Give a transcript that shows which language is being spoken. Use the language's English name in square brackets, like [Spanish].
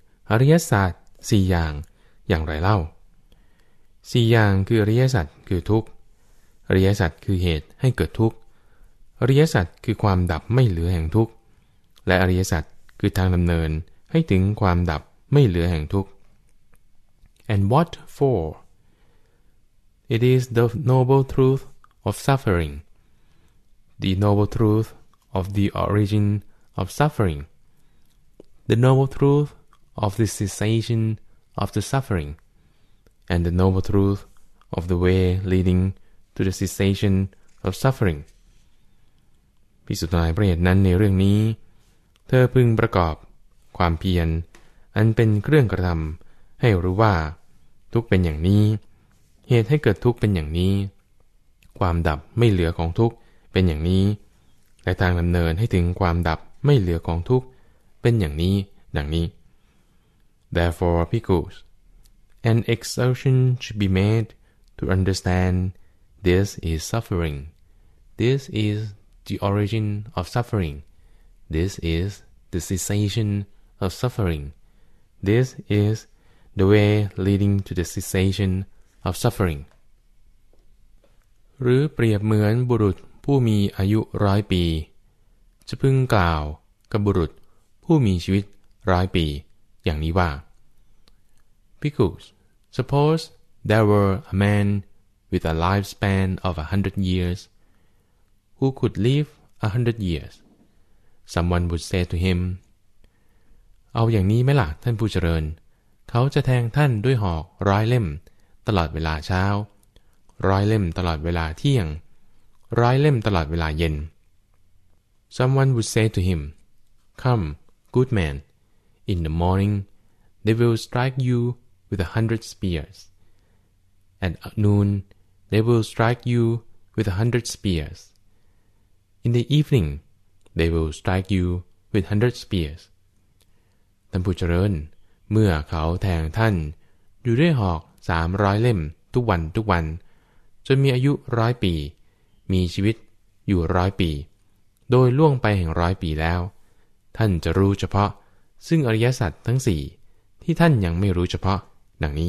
[Thai] อริยสัจ4อย่างอย่างไรเล่า4อย่างคืออริยสัจคือทุกข์อริยสัจคือเหตุให้เกิดทุกข์อริยสัจคือความดับไม่เหลือแห่งทุกข์และอริยสัจคือทางดำเนินให้ถึงความดับไม่เหลือแห่งทุกข์ [English] And what for? It is the noble truth of suffering, the noble truth of the origin of suffering, the noble truth of the cessation of the suffering, and the noble truth of the way leading to the cessation of suffering. [Thai] ภิกษุทั้งหลายประเหตุนั้นในเรื่องนี้เธอพึงประกอบความเพียรอันเป็นเครื่องกระทำให้รู้ว่าทุกข์เป็นอย่างนี้เหตุให้เกิดทุกข์เป็นอย่างนี้ความดับไม่เหลือของทุกข์เป็นอย่างนี้และทางดำเนินให้ถึงความดับไม่เหลือของทุกข์เป็นอย่างนี้ดังนี้ [English] Therefore, Bhikkhus, an exertion should be made to understand this is suffering. This is the origin of suffering. This is the cessation of suffering. This is the way leading to the cessationof suffering [Thai] หรือเปรียบเหมือนบุรุษผู้มีอายุ100ปีจะพึงกล่าวกับบุรุษผู้มีชีวิต100ปีอย่างนี้ว่า [English] Because suppose there were a man with a lifespan of 100 years who could live 100 years, someone would say to him, [Thai] เอาอย่างนี้ไหมล่ะท่านผู้เจริญเขาจะแทงท่านด้วยหอกร้อยเล่มตลอดเวลาเช้าร้อยเล่มตลอดเวลาเที่ยงร้อยเล่มตลอดเวลาเย็น [English] Someone would say to him, Come, good man, in the morning they will strike you with 100 spears. At noon they will strike you with 100 spears. In the evening they will strike you with 100 spears. [Thai] ท่านผู้เจริญเมื่อเขาแทงท่านอยู่ด้วยหอก300 เล่มทุกวันทุกวันจนมีอายุ100 ปีมีชีวิตอยู่100 ปีโดยล่วงไปแห่ง100 ปีแล้วท่านจะรู้เฉพาะซึ่งอริยสัจทั้ง4ที่ท่านยังไม่รู้เฉพาะดังนี